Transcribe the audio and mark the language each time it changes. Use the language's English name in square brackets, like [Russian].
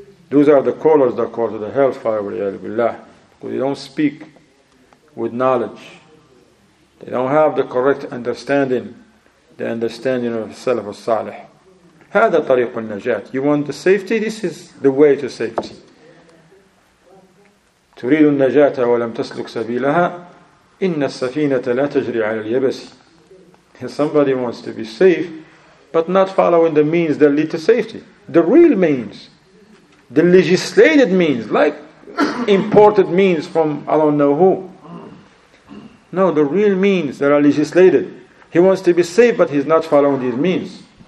[English] Those are the callers that call to the hellfire, [Arabic] وَلِيَالِ بِاللَّهِ. [English] Because they don't speak with knowledge. They don't have the correct understanding, the understanding of Salaf al-Salih. [Arabic] هذا طريق النجاة. [English] You want the safety? This is the way to safety. [Arabic] تريد النجاة ولم تسلك سبيلها إن السفينة لا تجري على اليبس. [English] Somebody wants to be safe, but not following the means that lead to safety. The real means, the legislated means, like imported means from I don't know who. No, the real means that are legislated. He wants to be safe, but he's not following these means.